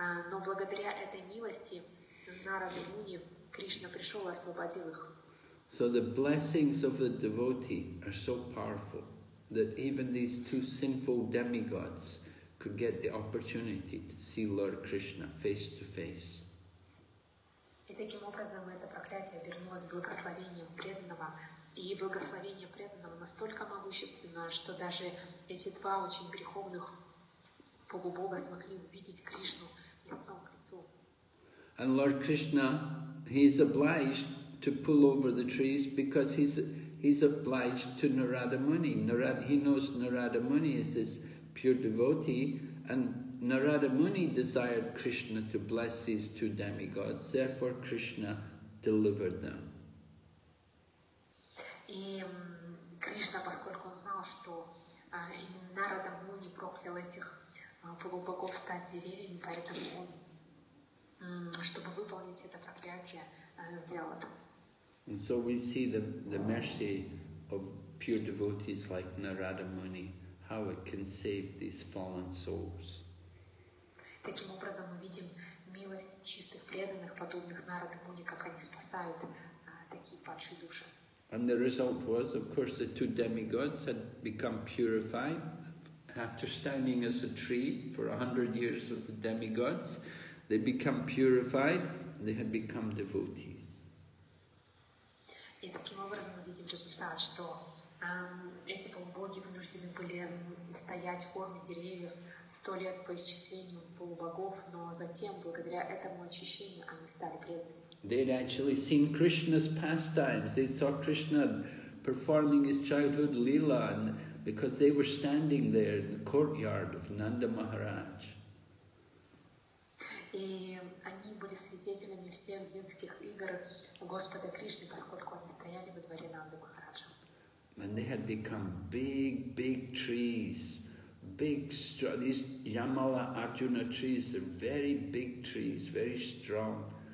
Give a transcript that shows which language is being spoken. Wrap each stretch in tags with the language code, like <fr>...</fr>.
<ru>Но благодаря этой милости Нарада и Муни Кришна пришел и освободил их.</ru> <en>So the blessings of the devotee are so powerful that even these two sinful demigods could get the opportunity to see Lord Krishna face to face.</en> <ru>И таким образом это проклятие вернулось благословением преданного, и благословение преданного настолько могущественно, что даже эти два очень греховных полубога смогли увидеть Кришну лицом к лицу.</ru> <en>And Lord Krishna, he is obliged to pull over the trees because he's obliged to Narada Muni. He knows Narada Muni is his pure devotee, and Narada Muni desired Krishna to bless these two demigods. Therefore, Krishna delivered them.</en> <ru>И Кришна, поскольку он знал, что Нарада Муни проклял этих полубогов стать деревьями, поэтому он, чтобы выполнить это проклятие, сделал это.</ru> <en>And so we see the mercy of pure devotees like Narada Muni, how it can save these fallen souls.</en> <ru>Таким образом мы видим милость чистых преданных, подобных Нарада Муни, как они спасают такие падшие души.</ru> <en>And the result was, of course, the two demigods had become purified after standing as a tree for 100 years of the demigods. They become purified, and they had become devotees.</en> <ru>И таким образом мы видим результат, что эти полубоги вынуждены были стоять в форме деревьев 100 лет по исчислению полубогов, но затем, благодаря этому очищению, они стали преданными.</ru> <en>They'd actually seen Krishna's pastimes. They saw Krishna performing his childhood lila, and because they were standing there in the courtyard of Nanda Maharaj.</en> <ru>И они были свидетелями всех детских игр Господа Кришны, поскольку они стояли во дворе Нанды Махараджа.</ru> <en>And they had become big trees, these Yamala Arjuna trees, they're very big trees, very strong.</en>